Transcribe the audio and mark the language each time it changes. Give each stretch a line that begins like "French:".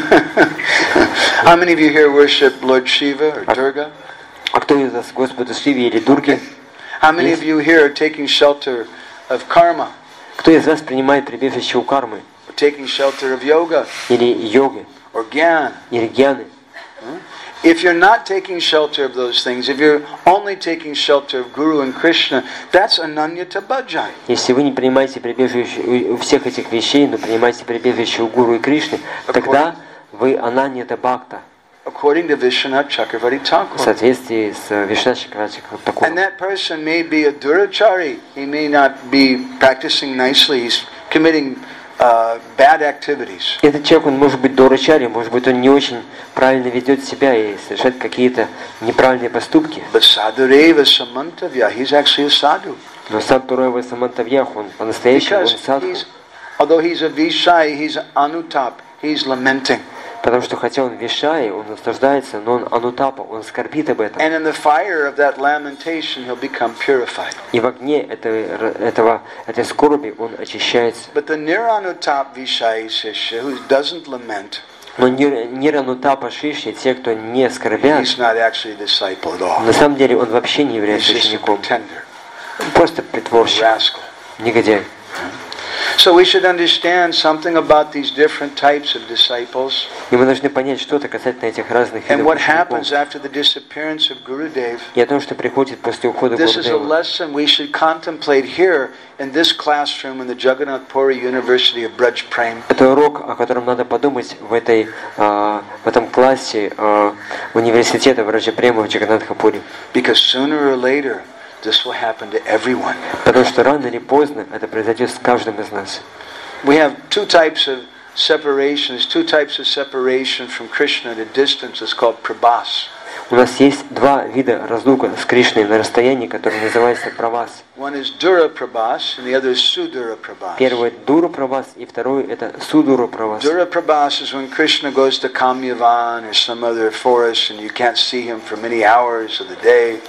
English: How many of you here worship Lord Shiva or Durga?
Russian: А кто из вас Господа Шиви или Дурги?
English: How many of you here are taking shelter of karma?
Russian: Кто из вас принимает прибежище у кармы?
English: Or taking shelter of yoga?
Russian: Или йоги?
English: Or gyan?
Russian: Или гьяны?
English: If you're not taking shelter of those things, if you're only taking shelter of Guru and Krishna, that's ananyata bhajan.
Russian: Если вы не принимаете прибежище у всех этих вещей, но принимаете прибежище у Гуру и Кришны, тогда вы ананьята бхакта.
English: According to Vishwanath Chakravarti Thakur.
Russian: В соответствии с Вишна Чакравати Такур.
English: And that person may be a durachari. He may not be practicing nicely. He's committing bad activities.
Russian: Этот человек, он может быть дурачари, может быть, он не очень правильно ведет себя и совершает какие-то неправильные поступки.
English: But sadhureva samantavya, he's actually a sadhu.
Russian: Но sadhureva samantavya, он по-настоящему садху.
English: Although he's a vishai, he's anutap, he's lamenting.
Russian: Потому что хотя он вишай, он наслаждается, но он анутапа, он скорбит об этом.
English: And in the fire of that lamentation, he'll become purified.
Russian: И в огне этой скорби он очищается.
English: But the niranutap vishai shishya, who doesn't lament,
Russian: но ниранутапа шишья, те, кто не скорбят,
English: he's not actually a disciple at all.
Russian: На самом деле он вообще не является учеником. Просто притворщик, негодяй.
English: So we should understand something about these different types of disciples.
Russian: И мы должны понять что-то касательно этих разных видов.
English: And what happens after the disappearance of Gurudev?
Russian: И о том, что приходит после ухода Гурудева.
English: This is a lesson we should contemplate here in this classroom in the Jagannath Puri University of Braj Prem.
Russian: Это урок, о котором надо подумать в этой в этом классе университета Брадж Према в Джаганнатхапуре.
English: Because sooner or later. This will happen to everyone.
Russian: Потому что рано или поздно это произойдет с каждым из нас.
English: We have two types of separation. There's two types of separation from Krishna. The distance is called prabhas.
Russian: У нас есть два вида разлука с Кришной на расстоянии, который называется прабас.
English: One is dura prabhas, and the other is sudura prabhas.
Russian: Первый дура прабас, и второй это судура прабас.
English: Dura prabhas is when Krishna goes to Kamyavan or some other forest, and you can't see him for many hours of the day.